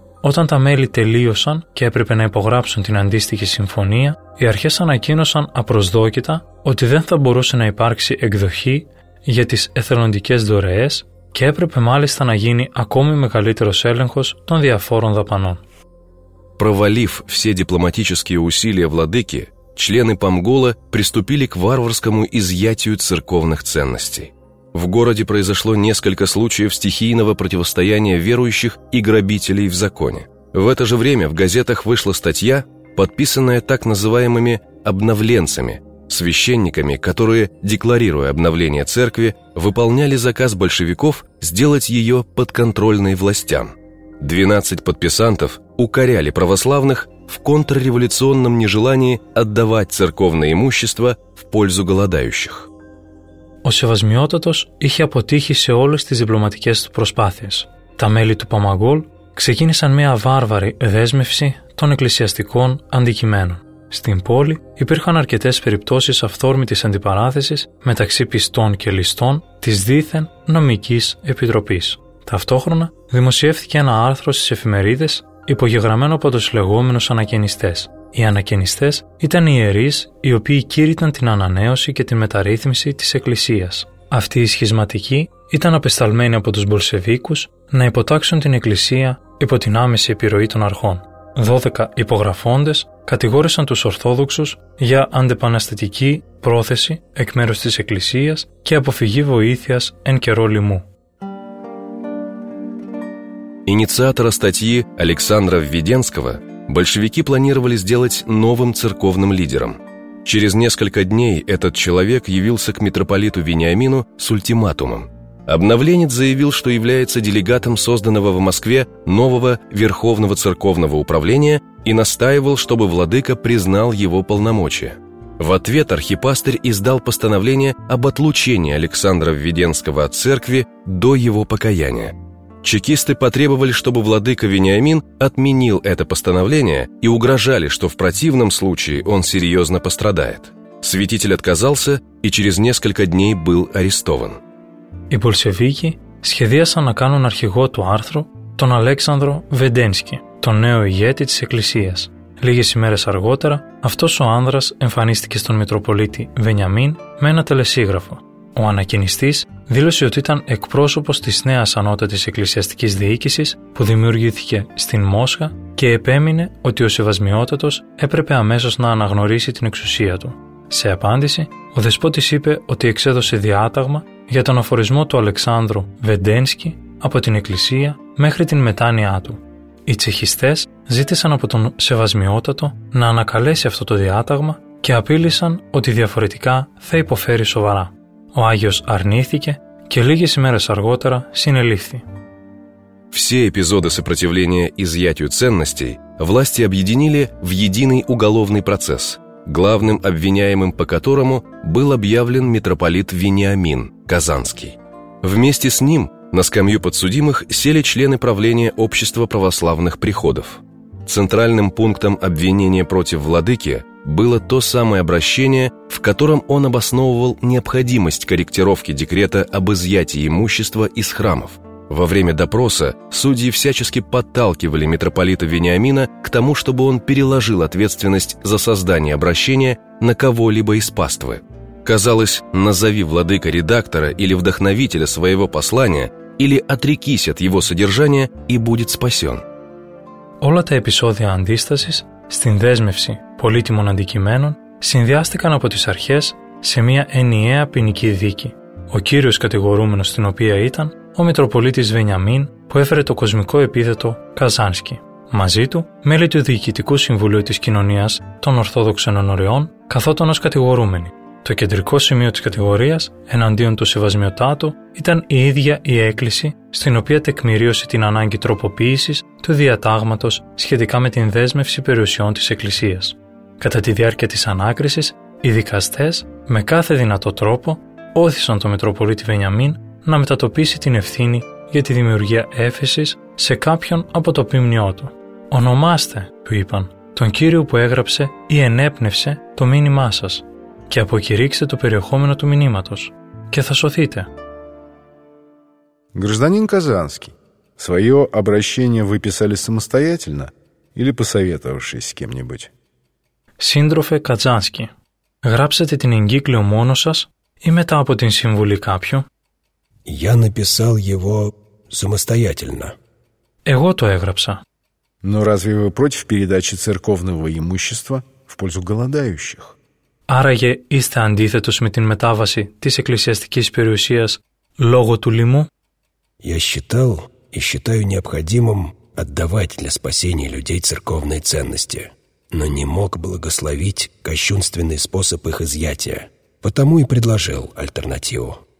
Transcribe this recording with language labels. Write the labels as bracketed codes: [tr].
[el] Όταν τα μέλη τελείωσαν και έπρεπε να υπογράψουν την αντίστοιχη συμφωνία, οι αρχές ανακοίνωσαν απροσδόκητα ότι δεν θα μπορούσε να υπάρξει εκδοχή για τις εθελοντικές δωρεές και έπρεπε μάλιστα να γίνει ακόμη μεγαλύτερος έλεγχος των διαφόρων δαπανών. [ru] Провалив все дипломатические усилия владыки, члены Памгола приступили к варварскому изъятию церковных ценностей. В городе произошло несколько случаев стихийного противостояния верующих и грабителей в законе. В это же время в газетах вышла статья, подписанная так называемыми «обновленцами», священниками, которые, декларируя обновление церкви, выполняли заказ большевиков сделать ее подконтрольной властям. 12 подписантов укоряли православных в контрреволюционном нежелании отдавать церковное имущество в пользу голодающих. [el] Ο Σεβασμιότατος είχε αποτύχει σε όλες τις διπλωματικές του προσπάθειες. Τα μέλη του Παμαγκόλ ξεκίνησαν μια βάρβαρη δέσμευση των εκκλησιαστικών αντικειμένων. Στην πόλη υπήρχαν αρκετές περιπτώσεις αυθόρμητης αντιπαράθεσης μεταξύ πιστών και ληστών της δήθεν νομικής επιτροπής. Ταυτόχρονα, δημοσιεύθηκε ένα άρθρο στις εφημερίδες υπογεγραμμένο από τους λεγόμενους ανακαινιστές. Οι ανακαινιστές ήταν ιερείς οι οποίοι κήρυταν την ανανέωση και την μεταρρύθμιση της Εκκλησίας. Αυτοί οι σχισματικοί ήταν απεσταλμένοι από τους Μπολσεβίκους να υποτάξουν την Εκκλησία υπό την άμεση επιρροή των αρχών. 12 υπογραφώντες κατηγόρησαν τους Ορθόδοξους για αντεπαναστατική πρόθεση εκ μέρους της Εκκλησίας και αποφυγή βοήθειας εν καιρό λοιμού. [ru] Инициатора статьи Александра Введенского большевики планировали сделать новым церковным лидером. Через несколько дней этот человек явился к митрополиту Вениамину с ультиматумом. Обновленец заявил, что является делегатом созданного в Москве нового Верховного церковного управления и настаивал, чтобы владыка признал его полномочия. В ответ архипастырь издал постановление об отлучении Александра Введенского от церкви до его покаяния. Чекисты потребовали, чтобы владыка Вениамин отменил это постановление и угрожали, что в противном случае он серьезно пострадает. Святитель отказался и через несколько дней был арестован. [el] Οι Μπολσεβίκοι σχεδίασαν να κάνουν αρχηγό του άρθρου τον Αλέξανδρο Βεντένσκι, τον νέο ηγέτη της Εκκλησίας. Λίγες ημέρες αργότερα, αυτός ο άνδρας εμφανίστηκε στον Μητροπολίτη Βενιαμίν με ένα τελεσίγραφο. Ο ανακαινιστής δήλωσε ότι ήταν εκπρόσωπος της νέας ανώτατης εκκλησιαστικής διοίκησης που δημιουργήθηκε στην Μόσχα και επέμεινε ότι ο Σεβασμιότατος έπρεπε αμέσως να αναγνωρίσει την εξουσία του. Σε απάντηση, ο δεσπότης είπε ότι εξέδωσε διάταγμα για τον αφορισμό του Αλεξάνδρου Βεντένσκι από την Εκκλησία μέχρι την μετάνοιά του. Οι τσεχιστές ζήτησαν από τον Σεβασμιότατο να ανακαλέσει αυτό το διάταγμα και απείλησαν ότι διαφορετικά θα υποφέρει σοβαρά. Ο Άγιος αρνήθηκε και λίγες ημέρες αργότερα συνελήφθη. [ru] Все эпизоды сопротивления изъятию ценностей власти объединили в единый уголовный процесс, главным обвиняемым по которому был объявлен митрополит Вениамин Казанский. Вместе с ним на скамью подсудимых сели члены правления Общества православных приходов. Центральным пунктом обвинения против владыки было то самое обращение, в котором он обосновывал необходимость корректировки декрета об изъятии имущества из храмов. Во время допроса судьи всячески подталкивали митрополита Вениамина к тому, чтобы он переложил ответственность за создание обращения на кого-либо из паствы. Казалось, назови владыка редактора или вдохновителя своего послания, или отрекись от его содержания и будет спасен. [el] Όλα τα επεισόδια αντίστασης στην δέσμευση πολύτιμων αντικειμένων συνδυάστηκαν από τις αρχές σε μια ενιαία ποινική δίκη. Ο κύριος κατηγορούμενος στην οποία ήταν ο Μητροπολίτης Βενιαμίν που έφερε το κοσμικό επίθετο Καζάνσκι. Μαζί του μέλη του Διοικητικού Συμβουλίου της Κοινωνίας των Ορθόδοξων Ενωριών καθόταν ως κατηγορούμενοι. Το κεντρικό σημείο της κατηγορίας εναντίον του Σεβασμιωτάτου ήταν η ίδια η έκκληση στην οποία τεκμηρίωσε την ανάγκη τροποποίησης του διατάγματος σχετικά με την δέσμευση περιουσιών της Εκκλησίας. Κατά τη διάρκεια της ανάκρισης, οι δικαστές με κάθε δυνατό τρόπο όθησαν τον Μητροπολίτη Βενιαμίν να μετατοπίσει την ευθύνη για τη δημιουργία έφεσης σε κάποιον από το ποίμνιό του. «Ονομάστε», του είπαν, «τον κύριο που έγραψε ή ενέπνευσε το μήνυμά σας». Και αποκηρύξτε το περιεχόμενο του μηνύματος και θα σωθείτε. [ru] Гражданин Казанский, свое обращение вы писали самостоятельно или посоветовавшись с кем-нибудь? [el] Σύντροφε Καζάνσκι, γράψατε την εγκύκλιο μόνος σας ή μετά από την συμβουλή κάποιου? [ru] Я написал его самостоятельно. [el] Εγώ το έγραψα. [ru] Но разве вы против передачи церковного имущества в пользу голодающих? [el] Άραγε είστε αντίθετος με την μετάβαση της εκκλησιαστικής περιουσίας λόγω του λοιμού? [ru] Я считал и считаю необходимым отдавать для спасения людей церковные ценности, но не мог благословить кощунственный способ их изъятия, потому и предложил альтернативу.